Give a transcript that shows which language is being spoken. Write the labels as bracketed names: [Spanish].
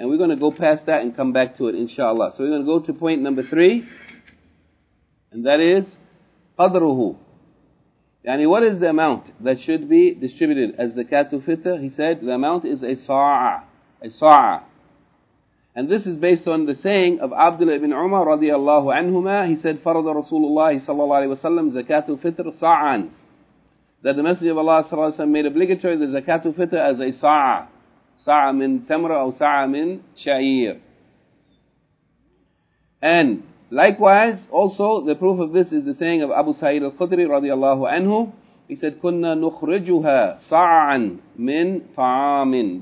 [English] And we're going to go past that and come back to it, inshallah. So we're going to go to point number 3, and that is qadruhu. Yani what is the amount that should be distributed as zakatul fitr? He said the amount is a sa'a. And this is based on the saying of Abdullah ibn Umar radiallahu anhuma. He said, [Arabic] فَرَضَ رَسُولُ اللَّهِ صَلَّى اللَّهِ وَسَلَّمْ زَكَاتُ الْفِطْرِ صَاعًا. [English] That the Messenger of Allah صلى الله عليه وسلم made obligatory the zakatu fitr as a sa'a. [Arabic] Sa'a min tamra or sa'a min sha'ir. [English] And likewise, also the proof of this is the saying of Abu Sa'id al-Khudri radiallahu anhu. He said, [Arabic] كُنَّا نُخْرِجُهَا صَاعًا مِن طَعَامٍ.